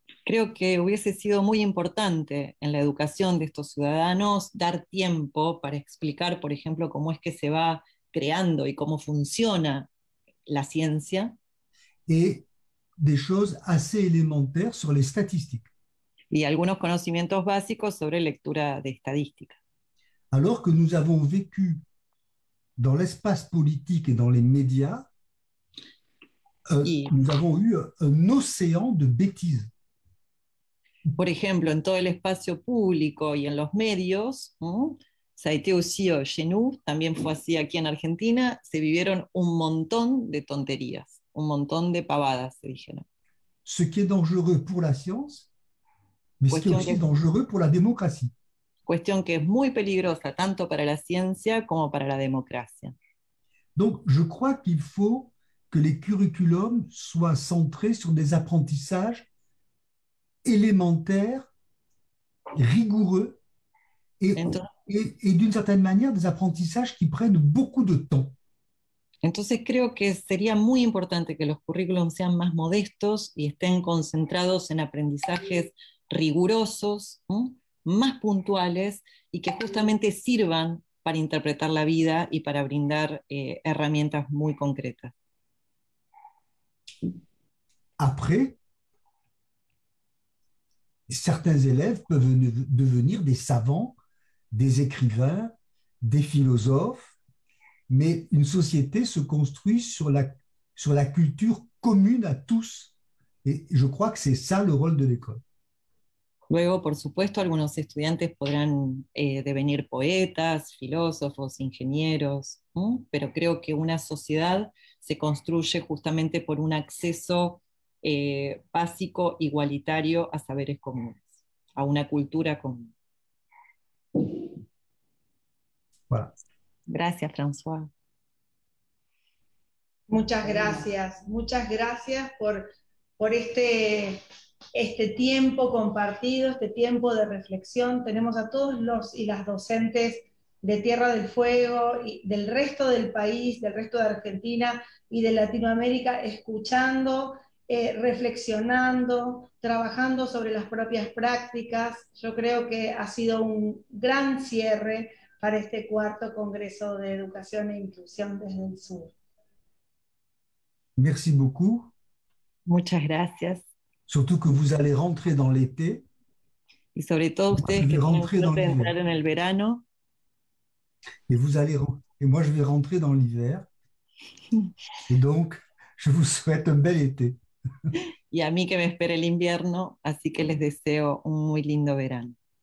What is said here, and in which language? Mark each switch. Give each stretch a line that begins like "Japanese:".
Spanish: Creo que hubiese sido muy importante en la educación de estos ciudadanos dar tiempo para explicar, por ejemplo, cómo es que se va creando y cómo funciona la ciencia.
French: Et des choses assez élémentaires sur les statistiques.
Spanish: Y algunos conocimientos básicos sobre lectura de estadística.
French: Alors que nous avons vécu dans l'espace politique et dans les médias, nous avons eu un océan de bêtises.
Spanish: Por ejemplo, en todo el espacio público y en los medios,
French: ça a été aussi chez nous,
Spanish: también fue así aquí en Argentina, se vivieron un montón de tonterías, un montón de pavadas, se dijeron.
French: Ce qui est dangereux pour la science, mais ce qui est aussi dangereux pour la démocratie.
Spanish: Cuestión que es muy peligrosa, tanto para la ciencia como para la democracia.
French: Donc, je crois qu'il faut que les curriculums soient centrés sur des apprentissages élémentaires, rigoureux et d'une certaine manière des apprentissages qui prennent beaucoup de temps.
Spanish: Entonces creo que sería muy importante que los currículums sean más modestos y estén concentrados en aprendizajes rigurosos, más puntuales y que justamente sirvan para interpretar la vida y para brindar herramientas muy concretas.
French: Après, certains élèves peuvent devenir des savants, des écrivains, des philosophes, mais une société se construit sur la culture commune à tous. Et je crois que c'est ça le rôle de l'école.
Spanish: Luego, por supuesto, algunos estudiantes podrán devenir poetas, filósofos, ingenieros, pero creo que una sociedad se construye justamente por un acceso básico, igualitario a saberes comunes, a una cultura común.
French: Voilà.
Spanish: Gracias, François. Muchas gracias por este tiempo compartido, este tiempo de reflexión. Tenemos a todos los y las docentes de Tierra del Fuego, y del resto del país, del resto de Argentina y de Latinoamérica, escuchando, reflexionando, trabajando sobre las propias prácticas. Yo creo que ha sido un gran cierre para este cuarto Congreso de Educación e Inclusión desde el Sur.
French: Merci beaucoup.
Spanish: Muchas gracias.
French: Surtout que vous allez rentrer dans l'été.
Spanish: Y sobre todo ustedes que van a entrar en el verano.
French: Et vous allez et moi je vais rentrer dans l'hiver. Et donc je vous souhaite un bel été.
Spanish: Y a mí que me espera el invierno, así que les deseo un muy lindo verano.